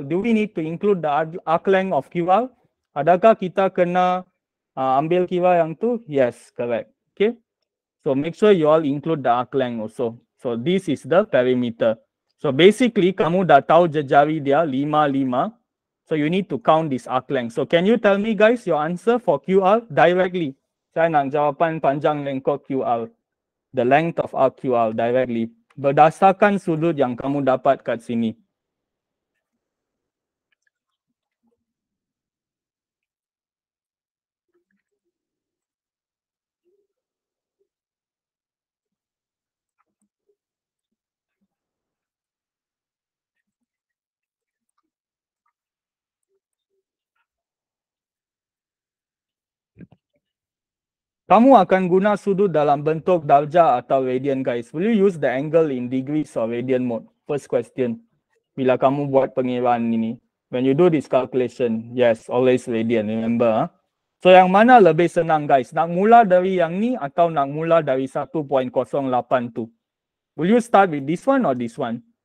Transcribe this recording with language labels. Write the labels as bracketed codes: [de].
[en] Do we need to include the arc length of QR? [ms] Adakah kita kena ambil kira yang tu? [en] Yes, correct. Okay. So make sure you all include the arc length also. So this is the perimeter. [ms] So basically, kamu dah tahu jejari dia 5-5. [en] So you need to count this arc length. So can you tell me, guys, your answer for QR directly? [ms] Saya nak jawapan panjang lengkok QR. [en] The length of RQR directly [ms] berdasarkan sudut yang kamu dapat kat sini. Kamu akan guna sudut dalam bentuk darjah atau radian, guys. [en] Will you use the angle in degrees or radian mode? First question. [ms] Bila kamu buat pengiraan ini. [en] When you do this calculation, yes, always radian, remember. Huh? [ms] So yang mana lebih senang, guys? Nak mula dari yang ni atau nak mula dari 1.08 tu? [en] Will you start with this one or this one?